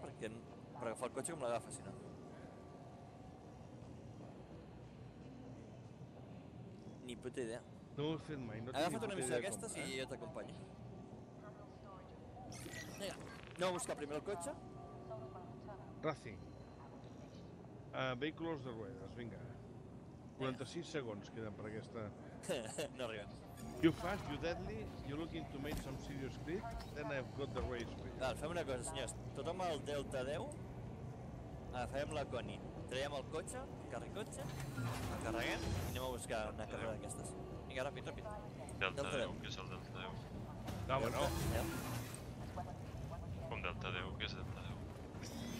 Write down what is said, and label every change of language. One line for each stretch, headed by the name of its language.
Catalan: Per agafar el cotxe com l'agafa, si no. Ni puta idea. No ho he fet mai. Agafa't una missió d'aquestes i jo t'acompanyo.
Spanish: No, busca primero el coche.
English: Racing.
Spanish: Vehículos de ruedas, venga.
Catalan: 46 segons queden per aquesta... No arriben.
English: You fast, you deadly, you looking to make some serious grip, then I've got the race for you.
Catalan: Val, fem una cosa, senyors. Tothom al Delta 10, agafem la Connie. Traiem el cotxe, el carrer cotxe, el carreguem i anem a buscar una carrera d'aquestes. Vinga, ràpid, ràpid. Delta 10, que és el Delta 10.
Spanish: No, bueno.
Catalan: Com Delta 10, que és el Delta 10.